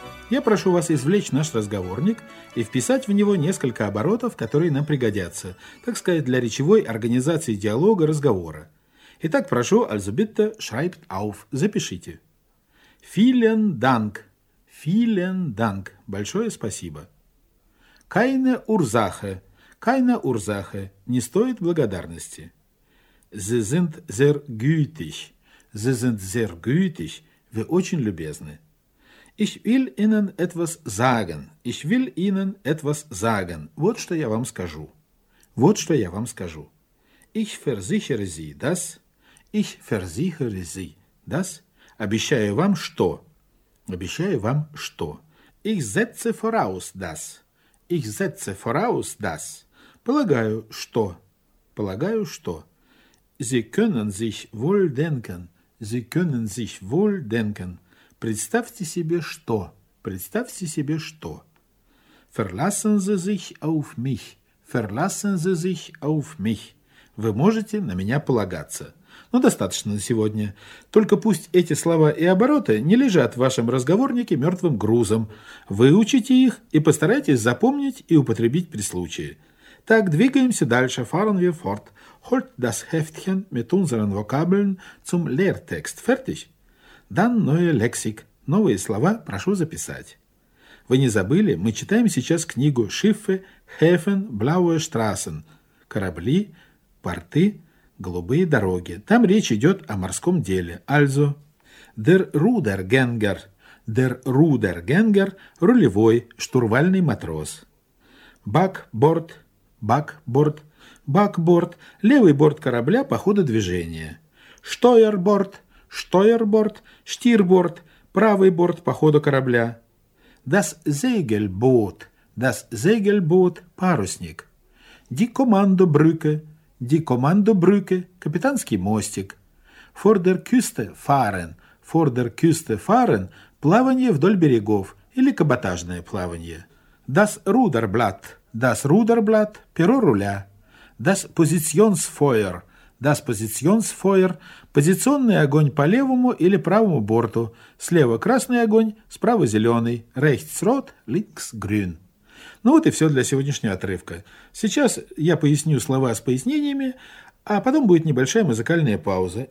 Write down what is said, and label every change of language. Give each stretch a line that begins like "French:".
Russian: Я прошу вас извлечь наш разговорник и вписать в него несколько оборотов, которые нам пригодятся, так сказать, для речевой организации диалога, разговора. Итак, прошу,
German: also bitte, schreibt auf,
Russian: запишите.
German: Vielen Dank. Vielen Dank.
Russian: Большое спасибо.
German: Keine Ursache. Keine Ursache.
Russian: Не стоит благодарности.
German: Sie sind sehr gütig. Sie sind sehr gütig.
Russian: Вы очень любезны.
German: Ich will Ihnen etwas sagen. Ich will Ihnen etwas sagen.
Russian: Вот что я вам скажу. Вот что я вам скажу.
German: Ich versichere Sie, dass... Ich versichere Sie, dass...
Russian: Обещаю вам что. Обещаю вам что.
German: Ich setze voraus, dass... Ich setze voraus, dass...
Russian: Полагаю, что. Полагаю, что.
German: Sie können sich wohl denken. Sie können sich wohl denken.
Russian: Представьте себе что. Представьте себе что.
German: Verlassen Sie sich auf mich. Verlassen Sie sich auf mich.
Russian: Вы можете на меня полагаться. Ну, достаточно на сегодня. Только пусть эти слова и обороты не лежат в вашем разговорнике мертвым грузом. Выучите их и постарайтесь запомнить и употребить при случае. Так, двигаемся дальше.
German: Fahren wir fort. Holt das Heftchen mit unseren Vokabeln zum Lehrtext. Fertig? Dann neue Lexik.
Russian: Новые слова прошу записать. Вы не забыли, мы читаем сейчас книгу
German: «Schiffe, Häfen, Blaue Straßen»
Russian: – «Корабли, порты, голубые дороги». Там речь идет о морском деле.
German: Also, der Rudergänger.
Russian: Der Rudergänger – рулевой, штурвальный матрос.
German: Backbord. Backbord.
Russian: Backbord – левый борт корабля по ходу движения.
German: Steuerbord.
Russian: Steuerbord, Штирборд, правый борт по ходу корабля.
German: Das Segelboot, das Segelboot, парусник. Die Kommandobrücke, die Kommandobrücke,
Russian: капитанский мостик.
German: Vor der Küste fahren, vor der Küste fahren,
Russian: плавание вдоль берегов или каботажное плавание.
German: Das Ruderblatt, das Ruderblatt,
Russian: перо руля.
German: Das Positionsfeuer, das Positionsfeuer,
Russian: позиционный огонь по левому или правому борту. Слева красный огонь, справа зеленый.
German: Rechts rot, links grün.
Russian: Ну вот и все для сегодняшнего отрывка. Сейчас я поясню слова с пояснениями, а потом будет небольшая музыкальная пауза.